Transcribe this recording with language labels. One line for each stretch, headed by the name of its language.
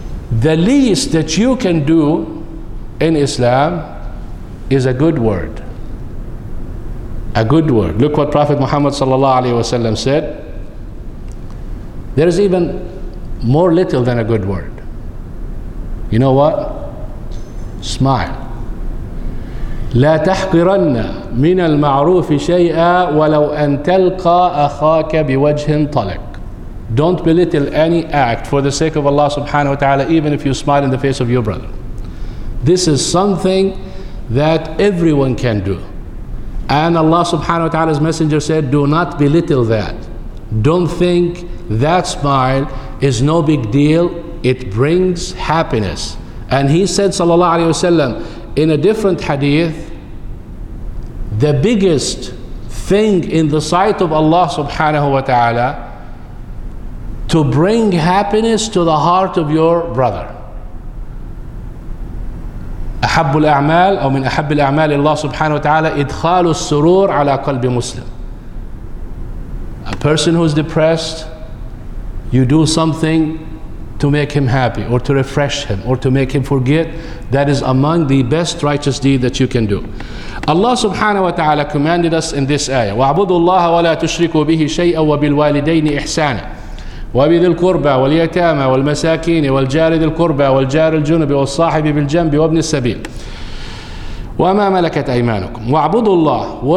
English: The least that you can do in Islam is a good word. A good word. Look what Prophet Muhammad sallallahu alaihi wasallam said. There is even more little than a good word. You know what? Smile.
Arabic: لا تحقرن من المعروف شيئا ولو أن تلقى أخاك بوجه طلق.
English: Don't belittle any act for the sake of Allah subhanahu wa ta'ala, even if you smile in the face of your brother. This is something that everyone can do. And Allah subhanahu wa ta'ala's messenger said, do not belittle that. Don't think that smile is no big deal. It brings happiness. And he said, sallallahu alayhi wasallam, in a different hadith, the biggest thing in the sight of Allah subhanahu wa ta'ala to bring happiness to the heart of your brother.
Arabic: أحب الأعمال أو من أحب الأعمال الله سبحانه وتعالى إدخال السرور على قلب مسلم.
English: A person who is depressed, you do something to make him happy or to refresh him or to make him forget, that is among the best righteous deed that you can do. Allah subhanahu wa ta'ala commanded us in this ayah,
Arabic: وَعْبُدُوا اللَّهَ وَلَا تُشْرِكُوا بِهِ شَيْئًا وَبِالْوَالِدَيْنِ إِحْسَانًا وَبِذِي الْقُرْبَى وَالْيَتَامَى وَالْمَسَاكِينِ وَالْجَارِ ذِي الْقُرْبَى وَالْجَارِ الْجُنُبِ وَالصَّاحِبِ بِالْجَنْبِ وَابْنِ السَّبِيلِ وَمَا مَلَكَتْ أَيْمَانُكُمْ وَاعْبُدُوا اللَّهَ.